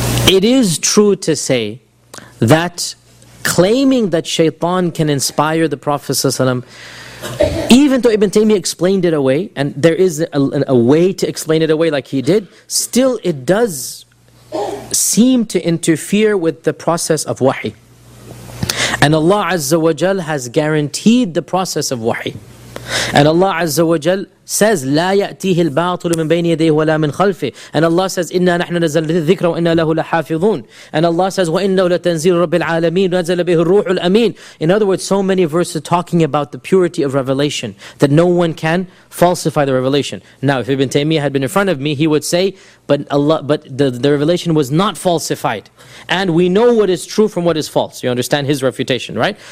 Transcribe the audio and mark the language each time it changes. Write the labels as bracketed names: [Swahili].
[English] It is true to say that claiming that shaitan can inspire the Prophet ﷺ, even though Ibn Taymiyyah explained it away, and there is a way to explain it away like he did, still it does seem to interfere with the process of wahi. And Allah Azza wa Jal has guaranteed the process of wahi. And Allah Azza wa Jal says, [Arabic] لا يأتيه الباطل من بين يديه ولا من خلفه. [English] And Allah says, [Arabic] إنا نحن نزلنا الذكر وإنا له لحافظون. And Allah says, وإنه لتنزيل رب العالمين نزل به الروح الأمين. [English] In other words, so many verses talking about the purity of revelation, that no one can falsify the revelation. Now, if Ibn Taymiyyah had been in front of me, he would say, but the revelation was not falsified. And we know what is true from what is false. You understand his refutation, right?